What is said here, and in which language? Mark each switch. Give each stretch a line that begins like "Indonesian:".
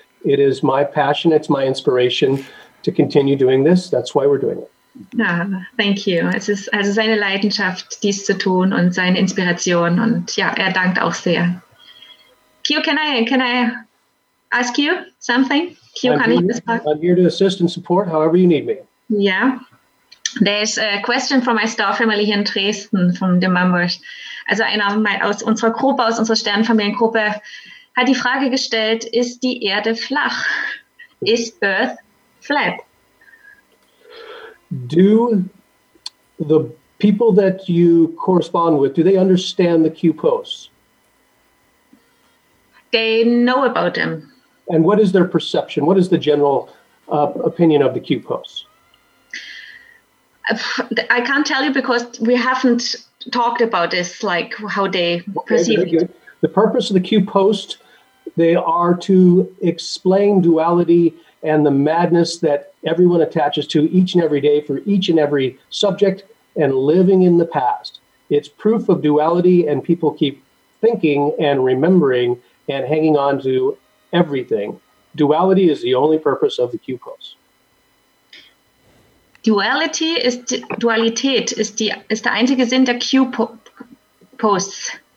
English: It is my passion, it's my inspiration to continue doing this. That's why we're doing it. Ja, thank you.
German: Es ist also seine Leidenschaft, dies zu tun und seine Inspiration. Und ja, er dankt auch sehr. Q,
English: can I ask you something?
German: Q, kann ich das fragen?
English: I'm here to assist and support, however you need me. Yeah, there's a question from my star family here in Dresden, from the members.
German: Also einer aus unserer Gruppe, aus unserer Sternfamiliengruppe, hat die Frage gestellt, ist die Erde flach?
English: Is Earth flat? Do the people that you correspond with, do they understand the Q posts? They know about them. And what is their perception? What is the general opinion of the Q posts? I can't tell you because we haven't talked about this, like how they perceive it. The purpose of the Q post, they are to explain duality and the madness that everyone attaches to each and every day for each and every subject and living in the past. It's proof of duality and people keep thinking and remembering and hanging on to everything. Duality is the only purpose of the Q post.
German: Duality ist Dualität, ist der einzige Sinn der Q-Posts.